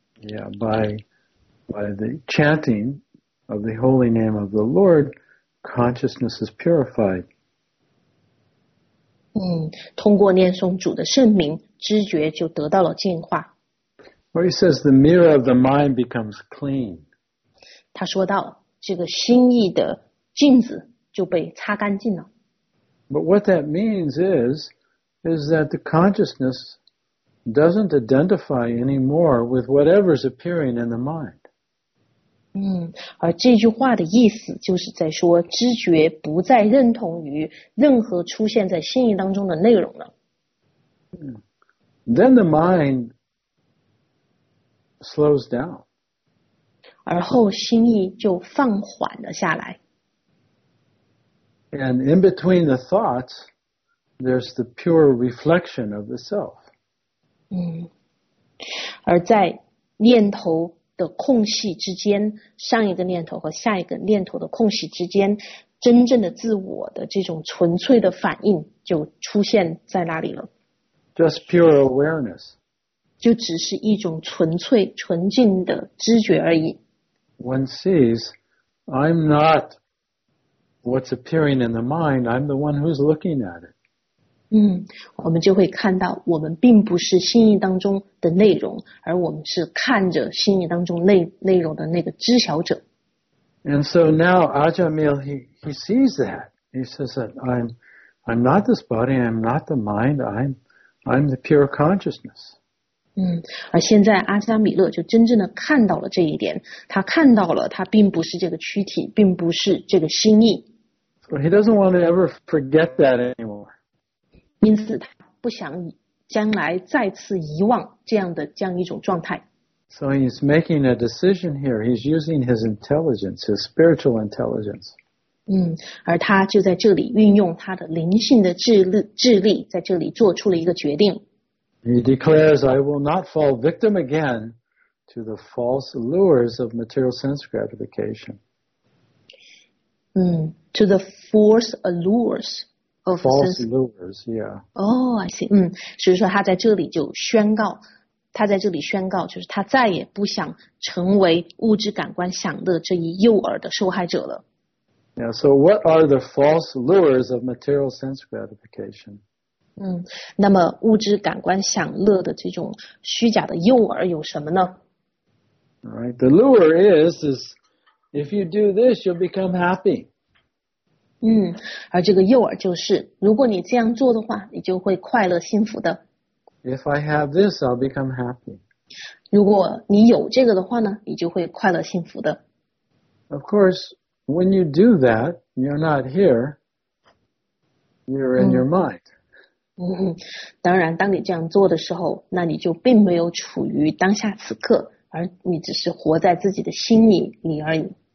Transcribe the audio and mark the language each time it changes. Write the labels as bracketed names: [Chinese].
[English] Yeah, by the chanting of the holy name of the Lord,Consciousness is purified. [Chinese] 通过念诵主的圣名，知觉就得到了净化。 [English] Or he says the mirror of the mind becomes clean. [Chinese] 他说到这个心意的镜子就被擦干净了。 [English] But what that means is that the consciousness doesn't identify anymore with whatever is appearing in the mind. [Chinese] 而这句话的意思就是在说知觉不再认同于任何出现在心意当中的内容了。 [English] Then the mind slows down. [Chinese] 而后心意就放缓了下来。 [English] And in between the thoughts, there's the pure reflection of the self. [Chinese] 而在念头的空隙之间，上一个念头和下一个念头的空隙之间，真正的自我的这种纯粹的反应就出现在那里了。 [English] Just pure awareness. [Chinese] 就只是一种纯粹纯净的知觉而已。 [English] One sees, I'm not what's appearing in the mind, I'm the one who's looking at it. [Chinese] 我们就会看到我们并不是心意当中的内容，而我们是看着心意当中内容的那个知晓者。 [English] And so now Ajamil, he sees that. He says that I'm not this body, I'm not the mind, I'm the pure consciousness. [Chinese] 而现在阿加米勒就真正的看到了这一点，他看到了他并不是这个躯体，并不是这个心意。 [English] So he doesn't want to ever forget that anymore. [Chinese] 因此他不想将来再次遗忘这样一种状态。 [English] So he's making a decision here. He's using his intelligence, his spiritual intelligence. [Chinese] 而他就在这里运用他的灵性的智力在这里做出了一个决定。 [English] He declares, I will not fall victim again to the false lures of material sense gratification. To the false allures of false allures, yeah. Oh, I see. [Chinese] 所以说他在这里就宣告，他在这里宣告，就是他再也不想成为物质感官享乐这一诱饵的受害者了。 [English] Yeah, so what are the false allures of material sense gratification? [Chinese] 那么物质感官享乐的这种虚假的诱饵有什么呢？ [English] Alright, the lure is if you do this, you'll become happy. [Chinese] 而这个诱饵就是，如果你这样做的话，你就会快乐幸福的。 [English] If I have this, I'll become happy. [Chinese] 如果你有这个的话呢，你就会快乐幸福的。 [English] Of course, when you do that, you're not here. You're in your mind. [Chinese] 当然，当你这样做的时候，那你就并没有处于当下此刻，而你只是活在自己的心里而已。